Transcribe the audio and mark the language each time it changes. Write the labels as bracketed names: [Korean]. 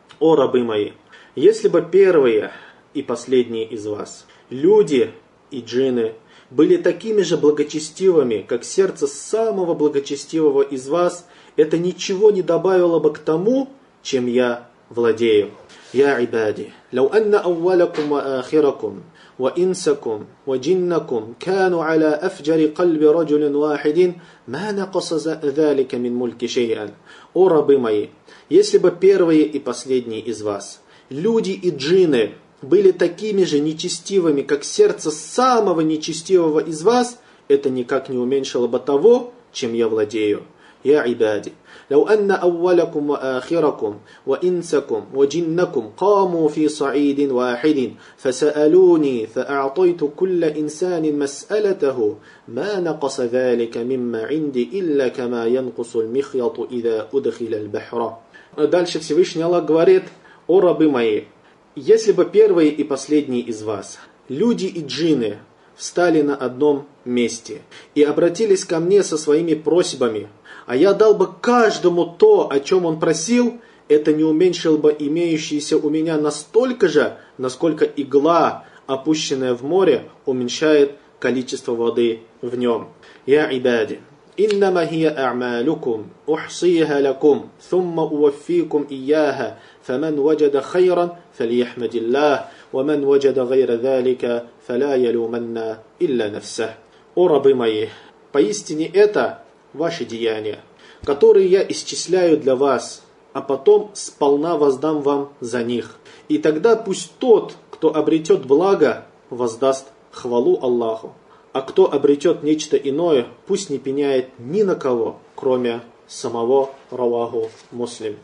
[Russian] О рабы мои, если бы первые и последние из вас, люди и джинны, были такими же благочестивыми, как сердце самого благочестивого из вас, это ничего не добавило бы к тому, чем я владею. [Arabic] Я ибади, لو أن أولكم وآخركم وإنسكم وجنكم كانوا على أفجر قلب رجل واحد ما نقص ذلك من ملك شيئا. [Russian] О рабы мои, если бы первые и последние из вас, люди и джинны, были такими же нечестивыми, как сердце самого нечестивого из вас, это никак не уменьшило бы того, чем я владею. [Arabic] Я ибади. لو أن أولكم وآخركم وإنسكم وجنكم قاموا في صعيد واحد فسألوني فأعطيت كل إنسان مسألته ما نقص ذلك مما عندي إلا كما ينقص المخيط إذا أدخل البحر. [Russian] Дальше Всевышний Аллах говорит: «О рабы мои! Если бы первые и последние из вас, люди и джинны, встали на одном месте и обратились ко мне со своими просьбами, а я дал бы каждому то, о чем он просил, это не уменьшило бы имеющиеся у меня настолько же, насколько игла, опущенная в море, уменьшает количество воды в нем. [Arabic] Я ибади. إنما هي أعمالكم أحصيها لكم ثم أوفيكم إياها فمن وجد خيرا فليحمد الله ومن وجد غير ذلك فلا يلومن إلا نفسه. [Russian] О рабы мои, поистине это ваши деяния, которые я исчисляю для вас, а потом сполна воздам вам за них. И тогда пусть тот, кто обретет благо, воздаст хвалу Аллаху. А кто обретет нечто иное, пусть не пеняет ни на кого, кроме самого [Arabic] Раваху Муслим.